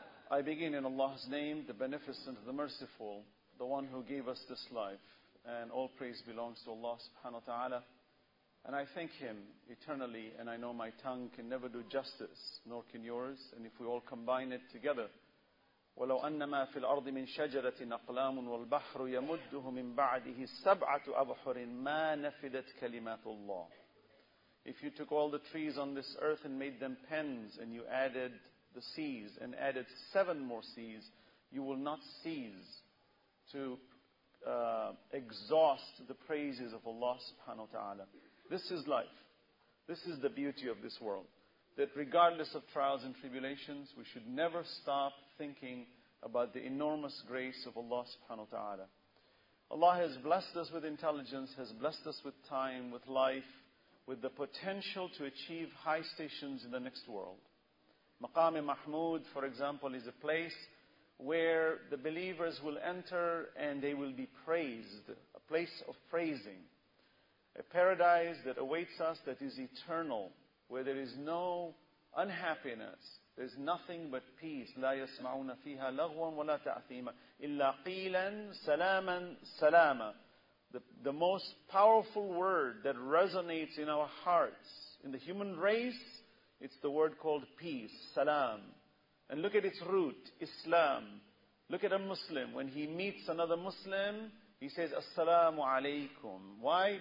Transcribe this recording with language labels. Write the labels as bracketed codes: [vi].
[en] I begin in Allah's name, the beneficent, the merciful, the one who gave us this life. And all praise belongs to Allah subhanahu wa ta'ala. And I thank Him eternally, and I know my tongue can never do justice, nor can yours. And if we all combine it together, [ar] وَلَوْ أَنَّمَا فِي الْأَرْضِ مِنْ شَجَرَةٍ أَقْلَامٌ وَالْبَحْرُ يَمُدُّهُ مِنْ بَعْدِهِ سَبْعَةُ أَبْحُرٍ مَا نَفِدَتْ كَلِمَاتُ اللَّهِ. [en] If you took all the trees on this earth and made them pens, and you added the seas, and added seven more seas, you will not cease to exhaust the praises of Allah subhanahu wa ta'ala. This is life. This is the beauty of this world. That regardless of trials and tribulations, we should never stop thinking about the enormous grace of Allah subhanahu wa ta'ala. Allah has blessed us with intelligence, has blessed us with time, with life, with the potential to achieve high stations in the next world. Maqam-e Mahmood, for example, is a place where the believers will enter and they will be praised, a place of praising. A paradise that awaits us that is eternal, where there is no unhappiness, there is nothing but peace. [ar] لا يسمعون فيها لغوا ولا تأثيما إلا قيلا سلاما سلاما. [en] The most powerful word that resonates in our hearts, in the human race, it's the word called peace, salam. And look at its root, Islam. Look at a Muslim, when he meets another Muslim, he says, As-salamu alaykum. Why?